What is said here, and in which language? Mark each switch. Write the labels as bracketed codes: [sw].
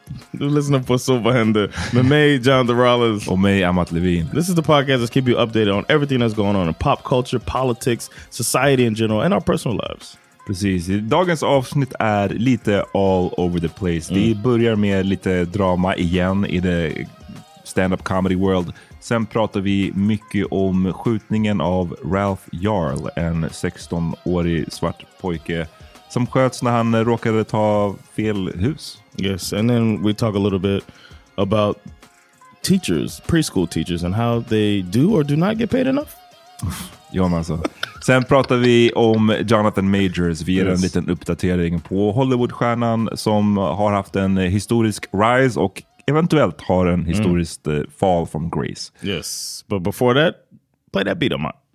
[sv] Du lyssnar på Så Vad Händer med mig, John DeRollins. Och mig, Amat Levin. [en] This is the podcast that's keep you updated on everything that's going on in pop culture, politics, society in general, and our personal lives. [sv] Precis. Dagens avsnitt är lite [en] all over the place. [sv] Vi börjar med lite drama igen i [en] the stand-up comedy world. [sv] Sen pratar vi mycket om skjutningen av Ralph Jarl, en 16-årig svart pojke som sköts när han råkade ta fel hus. [en] Yes, and then we talk a little bit about teachers, preschool teachers, and how they do or do not get paid enough. [sv] Ja, men alltså. Sen pratar vi om Jonathan Majors. Vi ger en liten uppdatering på Hollywoodstjärnan som har haft en historisk rise och eventuellt har en historisk [en] fall from grace. Yes, but before that, play that beat on my.